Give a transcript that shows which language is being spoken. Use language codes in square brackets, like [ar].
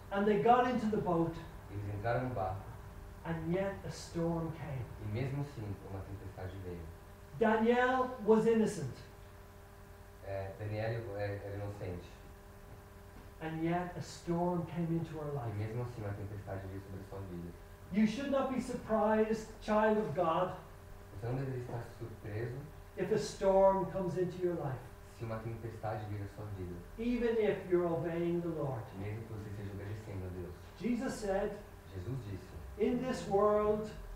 [en] And they got into the boat. [pt] Eles entraram no barco. [en] And yet a storm came. [pt] E mesmo assim, uma tempestade veio. [en] Daniel was innocent. [pt] Daniel era inocente. [en] And yet a storm came into our life. [pt] E mesmo assim, uma tempestade veio sobre a sua vida. [en] You should not be surprised, child of God. [pt] Você não deveria estar surpreso. [en] If a storm comes into your life. [pt] Se uma tempestade vier à sua vida. [en] Even if you're obeying the Lord. [pt] Mesmo que você esteja obedecendo a Deus. [en] Jesus said. [pt] Jesus disse. [en] In this world.